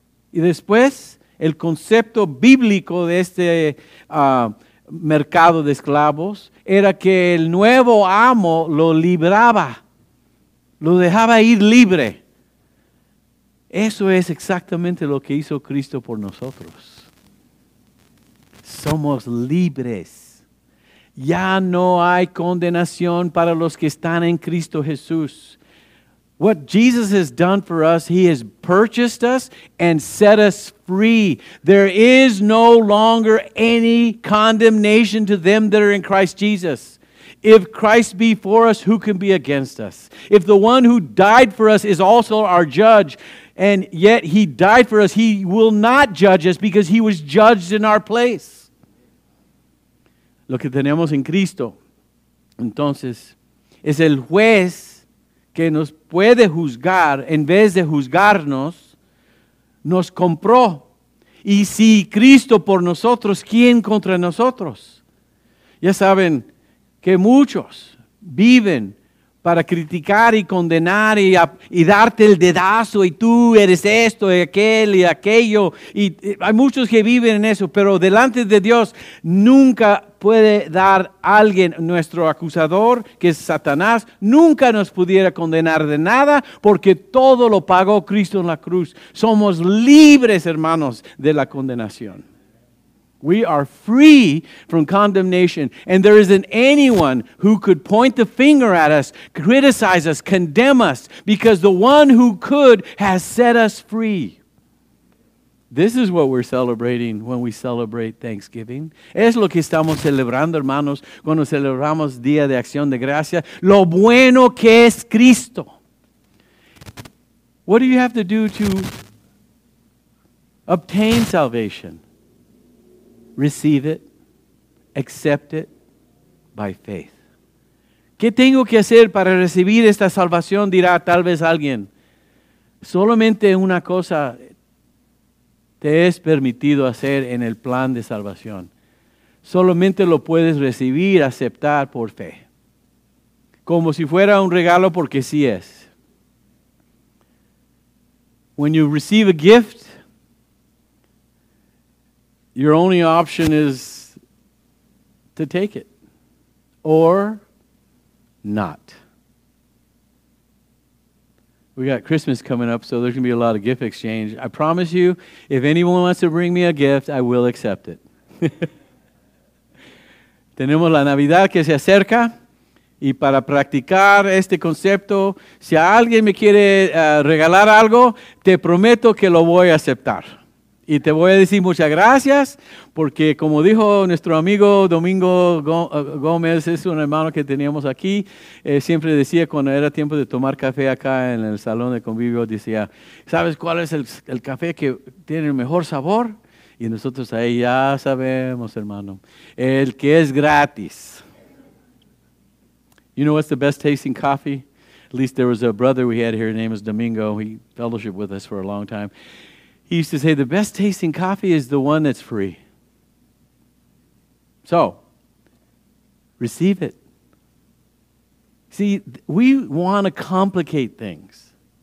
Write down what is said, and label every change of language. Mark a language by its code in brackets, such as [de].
[es] Y después, el concepto bíblico de este mercado de esclavos era que el nuevo amo lo libraba, lo dejaba ir libre. Eso es exactamente lo que hizo Cristo por nosotros. Somos libres. Ya no hay condenación para los que están en Cristo Jesús. [en] What Jesus has done for us, He has purchased us and set us free. There is no longer any condemnation to them that are in Christ Jesus. If Christ be for us, who can be against us? If the one who died for us is also our judge, and yet He died for us, He will not judge us because He was judged in our place. [es] Lo que tenemos en Cristo, entonces, es el juez que nos puede juzgar en vez de juzgarnos, nos compró. Y si Cristo por nosotros, ¿quién contra nosotros? Ya saben que muchos viven para criticar y condenar y darte el dedazo, y tú eres esto y aquel y aquello. Y hay muchos que viven en eso, pero delante de Dios nunca puede dar alguien, nuestro acusador, que es Satanás, nunca nos pudiera condenar de nada, porque todo lo pagó Cristo en la cruz. Somos libres, hermanos, de la condenación. [en] We are free from condemnation, and there isn't anyone who could point the finger at us, criticize us, condemn us, because the one who could has set us free. This is what we're celebrating when we celebrate Thanksgiving. [es] Es lo que estamos celebrando, hermanos, cuando celebramos Día de Acción de Gracia. Lo bueno que es Cristo. [en] What do you have to do to obtain salvation? Receive it, accept it by faith. [es] ¿Qué tengo que hacer para recibir esta salvación? Dirá tal vez alguien. Solamente una cosa te es permitido hacer en el plan de salvación. Solamente lo puedes recibir, aceptar por fe. Como si fuera un regalo, porque sí es. [en] When you receive a gift, your only option is to take it or not. We got Christmas coming up, so there's going to be a lot of gift exchange. I promise you, if anyone wants to bring me a gift, I will accept it. [es] Tenemos la Navidad que se acerca, y para practicar este concepto, si alguien me quiere regalar algo, te prometo que lo voy a aceptar. Y te voy a decir muchas gracias, porque como dijo nuestro amigo Domingo Gómez, es un hermano que teníamos aquí, siempre decía cuando era tiempo de tomar café acá en el salón de convivio, decía, ¿sabes cuál es el café que tiene el mejor sabor? Y nosotros ahí ya sabemos, hermano, el que es gratis. [en] You know what's the best tasting coffee? At least there was a brother we had here, his name is Domingo. He fellowshiped with us for a long time. He used to say, the best tasting coffee is the one that's free. So, receive it. See, we want to complicate things.